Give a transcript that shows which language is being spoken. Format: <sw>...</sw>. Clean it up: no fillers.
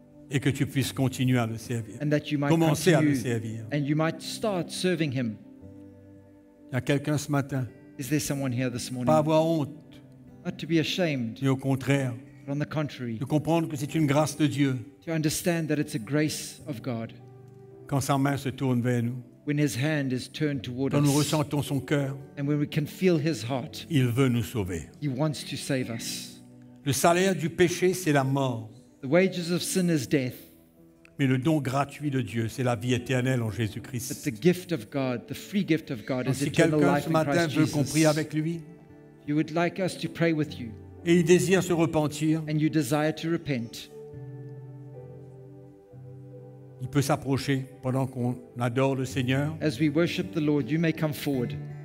<fr>Et que tu puisses continuer à le servir.</fr> <en>And that you might</en> <fr>commencer</fr> <en>continue,</en> <fr>à le servir.</fr> <en>And you might start serving him.</en> <fr>Il y a quelqu'un ce matin.</fr> <en>Is there someone here this morning?</en> <fr>Pas avoir honte.</fr> <en>Not to be ashamed.</en> <fr>Et au contraire.</fr> <en>But on the contrary.</en> <fr>De comprendre que c'est une grâce de Dieu.</fr> <en>To understand that it's a grace of God.</en> <fr>Quand sa main se tourne vers nous.</fr> <en>When his hand is turned toward</en> <fr>quand</fr> <en>us.</en> <fr>Quand nous ressentons son cœur.</fr> <en>And when we can feel his heart.</en> <fr>Il veut nous sauver.</fr> <en>He wants to save us.</en> <fr>Le salaire du péché, c'est la mort.</fr> <en>The wages of sin is death.</en> <fr>Mais le don gratuit de Dieu, c'est la vie éternelle en Jésus-Christ.</fr> <en>But the gift of God, the free gift of God, is</en> <fr>si quelqu'un ce matin veut qu'on prie avec lui,</fr> <en>you would like us to pray with you,</en> <fr>et il désire se repentir,</fr> <en>and you desire to repent,</en> <fr>il peut s'approcher pendant qu'on adore le Seigneur.</fr> <en>As we worship the Lord, you may come forward.</en>